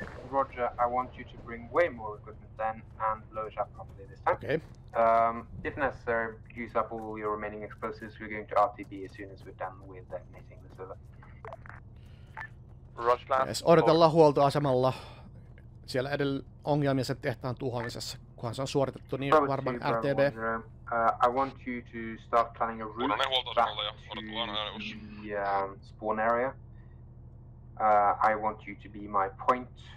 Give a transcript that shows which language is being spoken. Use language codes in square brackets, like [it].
[en] Roger, I want you to bring way more equipment then and blow it up properly this time. Okay. If necessary, use up all your remaining explosives. We're going to RTB as soon as we're done with detonating the server. Rushland. [fi] Yes, odotellaan huoltoasemalla. Siellä edelleen ongelmia sen tehtaan tuhoamisessa, kunhan se on suoritettu, niin [en] Bravo [fi] varmaan [en] two, RTB. I want you to start planning a route back to the spawn area. I want you to be my point.